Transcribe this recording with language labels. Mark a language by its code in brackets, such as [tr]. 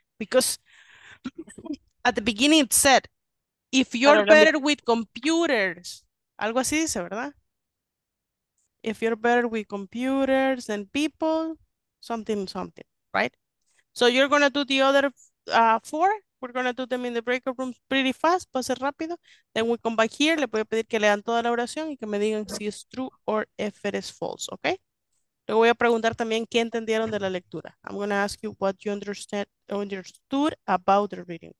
[en] Because at the beginning it said, if you're better with computers, [es] Algo así dice, ¿verdad? [en] If you're better with computers than people, something, something, right? So you're going to do the other four. We're going to do them in the breakout rooms pretty fast, [es] para ser rápido. [en] Then we come back here. [es] Le voy a pedir que lean toda la oración y que me digan si es [en] true or if it is false, [es] ¿ok? Le voy a preguntar también qué entendieron de la lectura. [en] I'm going to ask you what you understood about the reading.